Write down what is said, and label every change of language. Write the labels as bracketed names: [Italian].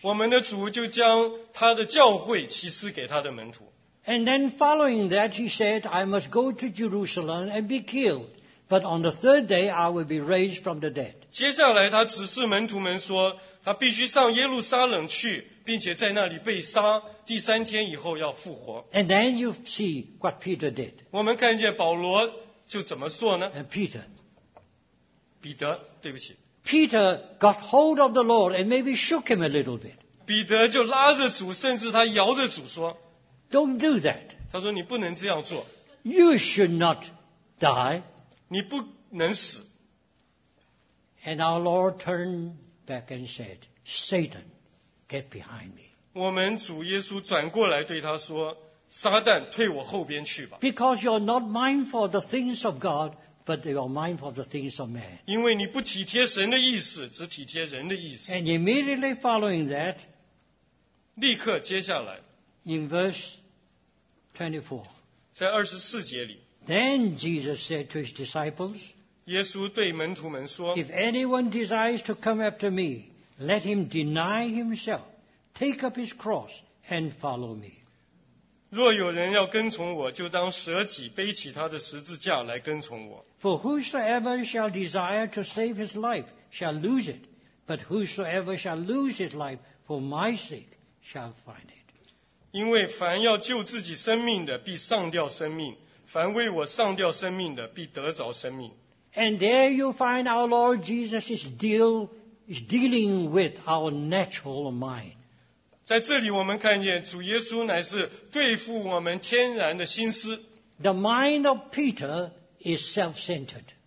[Chinese] 我们的主就将他的教会启示给他的门徒。 [English] And then following that, he said, I must go to Jerusalem and be killed. But on the third day, I will be raised from the dead. [Chinese] 接下来他指示门徒们说，他必须上耶路撒冷去，并且在那里被杀，第三天以后要复活。 [English] And then you see what Peter did. [Chinese] 我们看见保罗就怎么做呢？ [English] And Peter. [Chinese] 彼得, 对不起。 [English] Peter got hold of the Lord and maybe shook him a little bit. [Chinese] 彼得就拉着主, 甚至他摇着主说, [English] Don't do that. [Chinese] 他说你不能这样做。 [English] You should not die. [Chinese] 你不能死。 [English] And our Lord turned back and said, Satan, get behind me. [Chinese] 我们主耶稣转过来对他说, 撒旦退我后边去吧。 [English] Because you're not mindful of the things of God, but you're mindful of the things of man. [Chinese] 因为你不体贴神的意思, 只体贴人的意思。 [English] And immediately following that, [Chinese] 立刻接下来, [English] in verse 24, [Chinese] 在24节里, [English] Then Jesus said to his disciples, [Chinese] 耶稣对门徒们说, [English] If anyone desires to come after me, let him deny himself, take up his cross, and follow me. [Chinese] 若有人要跟从我, 就当舍己, 背起他的十字架来跟从我。 [English] For whosoever shall desire to save his life shall lose it, but whosoever shall lose his life for my sake shall find it. [Chinese] 因为凡要救自己生命的, 必丧掉生命。凡为我丧掉生命的必得着生命。 [English] And there you find our Lord Jesus is dealing with our natural mind. [Chinese] 在这里我们看见主耶稣乃是对付我们天然的心思。 [English] The mind of Peter is self-centered.